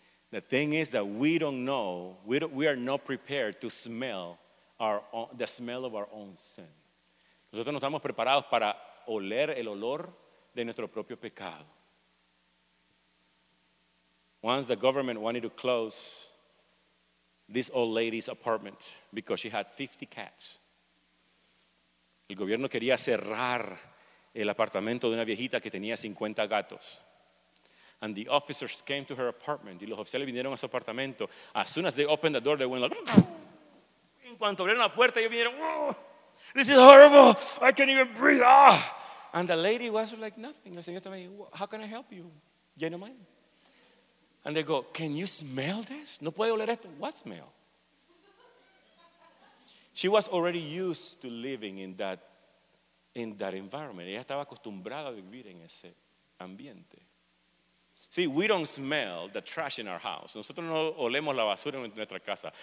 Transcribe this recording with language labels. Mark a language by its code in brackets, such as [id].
[en] The thing is that we don't know, we are not prepared to smell the smell of our own sin. [es] Nosotros no estamos preparados para oler el olor de nuestro propio pecado. [en] Once the government wanted to close this old lady's apartment because she had 50 cats. [es] El gobierno quería cerrar el apartamento de una viejita que tenía 50 gatos. [en] And the officers came to her apartment. [es] Y los oficiales vinieron a su apartamento. [en] As soon as they opened the door, they went like, [es] en cuanto abrieron la puerta, ellos vinieron, [en] this is horrible, I can't even breathe. Ah. And the lady was like, nothing. [es] La señora me dijo, [en] how can I help you? Ya no mind. And they go, can you smell this? [es] No puede oler esto. [en] What smell? She was already used to living in that environment. [es] Ella estaba acostumbrada a vivir en ese ambiente. [en] See, we don't smell the trash in our house. [es] Nosotros no olemos la basura en nuestra casa.